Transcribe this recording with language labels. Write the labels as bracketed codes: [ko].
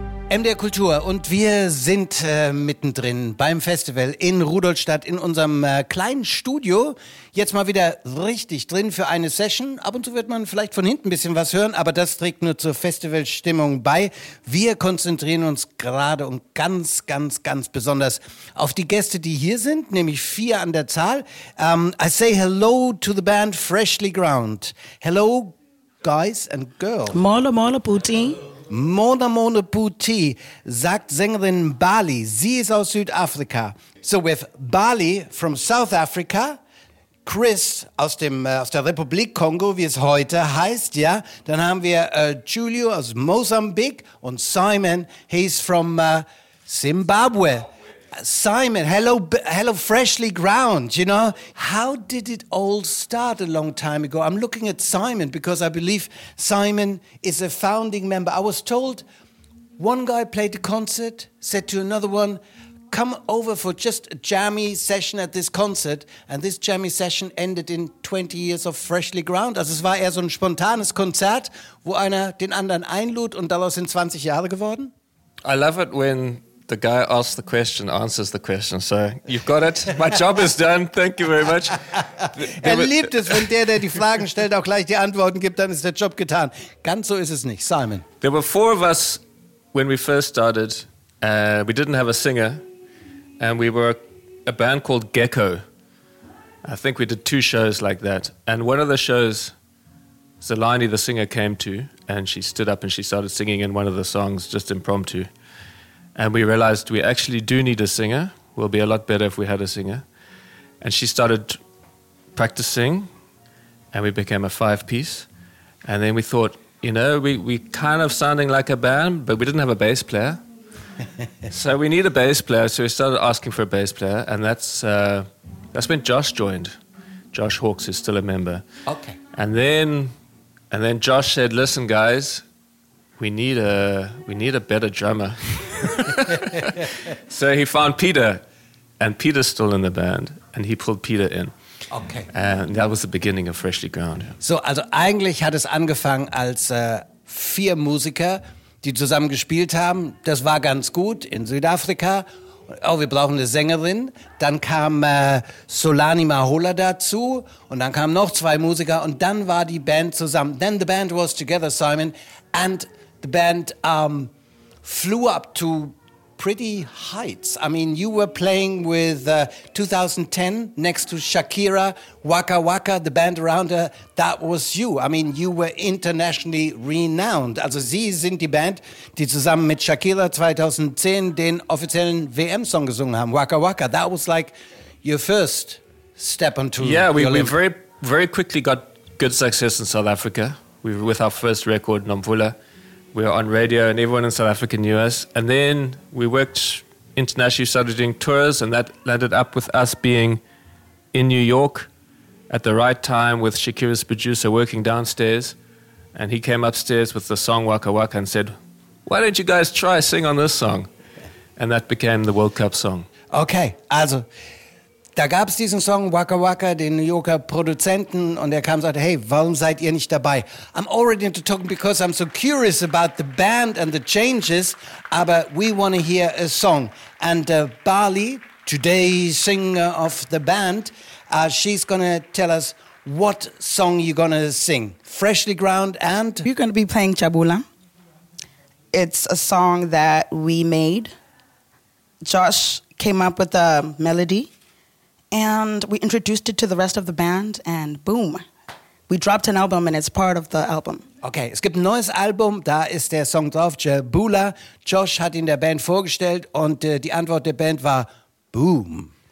[de] MDR Kultur und wir sind mittendrin beim Festival in Rudolstadt in unserem kleinen Studio. Jetzt mal wieder richtig drin für eine Session. Ab und zu wird man vielleicht von hinten ein bisschen was hören, aber das trägt nur zur Festivalstimmung bei. Wir konzentrieren uns gerade und ganz besonders auf die Gäste, die hier sind, nämlich vier an der Zahl. [en] I say hello to the band Freshly Ground. Hello guys and girls. Mala Puti. [de] Mona Puti, sagt Sängerin Bali. Sie ist aus Südafrika. [en] So with Bali from South Africa, [de] Chris aus dem aus der Republik Kongo, wie es heute heißt, ja. Dann haben wir Julio aus Mosambik und Simon, [en] he's from Zimbabwe. Simon, hello, Freshly Ground, you know. How did it all start a long time ago? I'm looking at Simon because I believe Simon is a founding member. I was told one guy played a concert, said to another one, come over for just a jammy session at this concert. And this jammy session ended in 20 years of Freshly Ground. [de] Also es war eher so ein spontanes Konzert, wo einer den anderen einlud und daraus sind 20 Jahre geworden. [en] I love it when the guy asks the question, answers the question. So, you've got it. My job is done. Thank you very much. [de] Liebt es, wenn der die Fragen stellt, auch gleich die Antworten gibt, dann ist der Job getan. Ganz so ist es nicht. Simon. [en] There were four of us when we first started. We didn't have a singer. And we were a band called Gecko. I think we did two shows like that. And one of the shows, Zelani, the singer, came to. And she stood up and she started singing in one of the songs, just impromptu. And we realized we actually do need a singer. We'll be a lot better if we had a singer. And she started practicing, and we became a five-piece. And then we thought, you know, we kind of sounding like a band, but we didn't have a bass player. So we need a bass player, so we started asking for a bass player, and that's when Josh joined. Josh Hawks is still a member. Okay. And then Josh said, listen, guys, we need a better drummer. So he found Peter, and Peter's still in the band, and he pulled Peter in. Okay. And that was the beginning of Freshly Ground. [de] So, also eigentlich hat es angefangen als vier Musiker, die zusammen gespielt haben. Das war ganz gut in Südafrika. Oh, wir brauchen eine Sängerin. Dann kam Solani Mahola dazu und dann kamen noch zwei Musiker und dann war die Band zusammen. [en] Then the band was together, Simon, and the band flew up to pretty heights. I mean, you were playing with 2010 next to Shakira, Waka Waka, the band around her. That was you. I mean, you were internationally renowned. [de] Also, sie sind die Band, die zusammen mit Shakira 2010 den offiziellen WM-Song gesungen haben, Waka Waka. [en] That was like your first step onto the Olympics. Yeah, we very, very quickly got good success in South Africa. We were with our first record, Nomvula. We were on radio and everyone in South Africa knew us. And then we worked internationally, started doing tours, and that landed up with us being in New York at the right time with Shakira's producer working downstairs. And he came upstairs with the song Waka Waka and said, why don't you guys try sing on this song? And that became the World Cup song. [de] Okay, also, da gab es diesen Song Waka Waka, den New Yorker Produzenten, und er kam und sagte, hey, warum seid ihr nicht dabei? [en] I'm already into talking because I'm so curious about the band and the changes, aber we want to hear a song. And Bali, today's singer of the band, she's going to tell us what song you're going to sing. Freshly Ground and... You're going to be playing Chabula. It's a song that we made. Josh came up with a melody. And we introduced it to the rest of the band and boom, we dropped an album and it's part of the album. [de] Okay, es gibt ein neues Album, da ist der Song drauf, Jabula. Josh hat ihn der Band vorgestellt und die Antwort der Band war boom.